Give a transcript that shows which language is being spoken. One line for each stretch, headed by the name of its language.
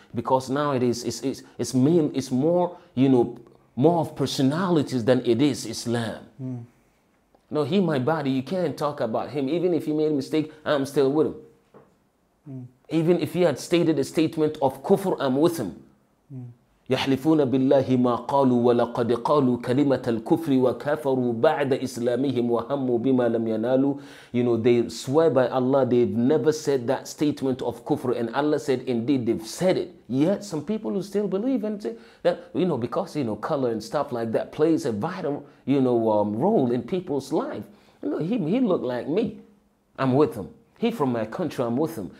English: Because now it is, it's more, you know, more of personalities than it is Islam. No, he my body, you can't talk about him. Even if he made a mistake, I'm still with him. Even if he had stated a statement of kufr, I'm with him.
Arabic: يحلفون بالله ما قالوا ولقد قالوا كلمة الكفر وكفروا بعد إسلامهم وهموا بما لم ينالوا.
English: You know, they swear by Allah, they've never said that statement of kufr, and Allah said, indeed, they've said it. Yet some people who still believe and say that, you know, because, you know, color and stuff like that plays a vital, you know, role in people's life. You know, he looked like me. I'm with him. He from my country, I'm with him.